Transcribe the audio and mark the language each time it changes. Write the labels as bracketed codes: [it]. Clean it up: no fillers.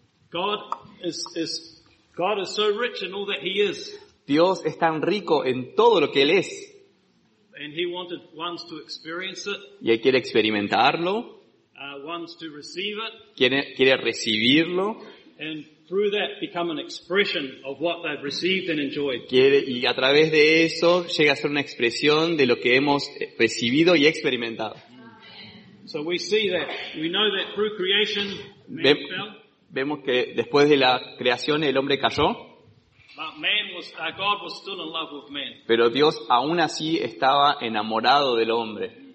[en] God is so rich in all that he is. [es] Dios es tan rico en todo lo que él es. [en] And he wanted ones to experience it. [es] Y él quiere experimentarlo. [en] Ones to receive it. [es] Quiere recibirlo. [en] And through that become an expression of what they've received and enjoyed. [es] Quiere, y a través de eso llega a ser una expresión de lo que hemos recibido y experimentado. [en] So we see that. We know that through creation, man fell. [es] Vemos que después de la creación el hombre cayó. [en] But man was, God was still in love with man. [es] Pero Dios aún así estaba enamorado del hombre.